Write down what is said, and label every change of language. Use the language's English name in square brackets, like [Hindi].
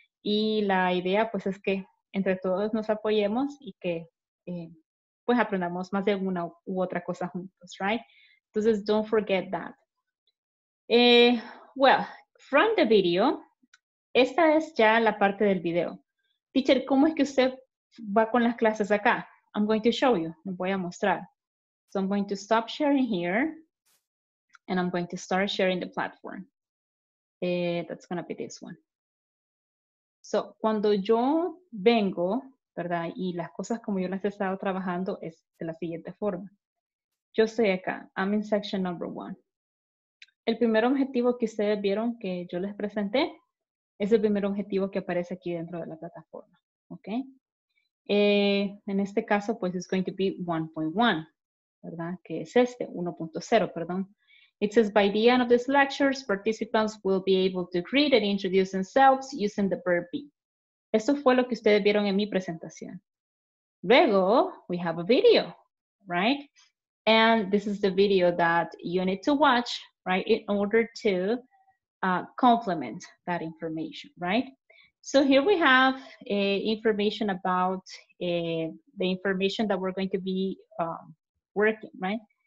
[Spanish] Y la idea, pues, es que entre todos nos apoyemos y que, pues, aprendamos más de una u otra cosa juntos, ¿right? Entonces, [English] don't forget that. Well, from the video, [Spanish] esta es ya la parte del video. Teacher, ¿cómo es que usted va con las clases acá? [English] I'm going to show you. [Spanish] Me voy a mostrar. [English] So I'm going to stop sharing here. And I'm going to start sharing the platform. That's going to be this one. [Spanish] So, cuando yo vengo, ¿verdad? Y las cosas como yo las he estado trabajando es de la siguiente forma. Yo estoy acá. [English] I'm in section number one. [Spanish] El primer objetivo que ustedes vieron que yo les presenté es el primer objetivo que aparece aquí dentro de la plataforma. ¿Ok? En este caso, pues, [English] it's going to be 1.1, [Spanish] ¿verdad? Que es este, 1.0, perdón. [English] It says, by the end of these lectures, participants will be able to greet and introduce themselves using the verb be. [Spanish] Esto fue lo que ustedes vieron en mi presentación. [English] Luego, we have a video, right? And this is the video that you need to watch, right? In order to complement that information, right? So here we have information about the information that we're going to be working, right?